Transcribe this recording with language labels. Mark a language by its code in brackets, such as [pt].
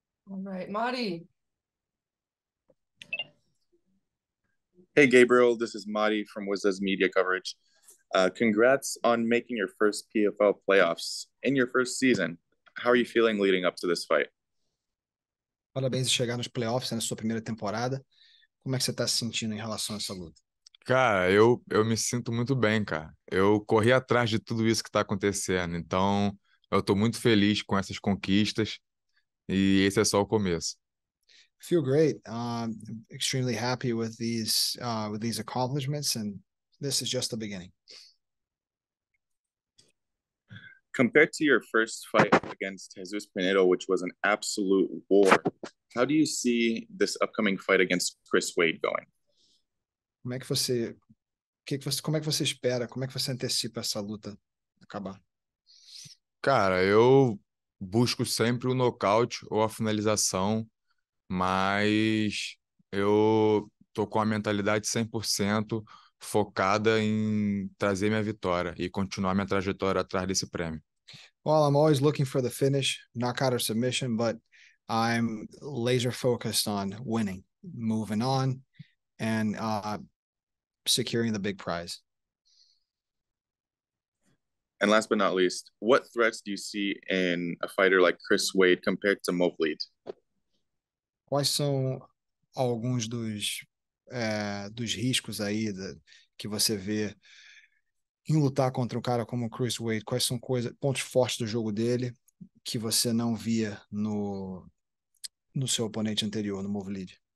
[en] All right, Mari. Hey, Gabriel, this is Mari from Wizards Media Coverage. Congrats on making your first PFL playoffs in your first season. How are you feeling leading up to this fight? [pt] Parabéns por chegar nos playoffs na sua primeira temporada. Como é que você está se sentindo em relação a essa luta? Cara, eu me sinto muito bem, cara. Eu corri atrás de tudo isso que está acontecendo. Então, eu estou muito feliz com essas conquistas. E esse é só o começo. [en] Feel great. Extremely happy with these accomplishments. And this is just the beginning. Compared to your first fight against Jesus Pinedo, which was an absolute war, how do you see this upcoming fight against Chris Wade going? [pt] Como é que você espera? Como é que você antecipa essa luta acabar? Cara, eu busco sempre o nocaute ou a finalização, mas eu tô com a mentalidade 100% focada em trazer minha vitória e continuar minha trajetória atrás desse prêmio. [en] Well, I'm always looking for the finish, knockout or submission, but I'm laser focused on winning, moving on, and securing the big prize. And last but not least, what threats do you see in a fighter like Chris Wade compared to Movlid? [pt] Quais são alguns dos riscos aí que você vê em lutar contra um cara como Chris Wade? Quais são pontos fortes do jogo dele que você não via no seu oponente anterior, no Movlid?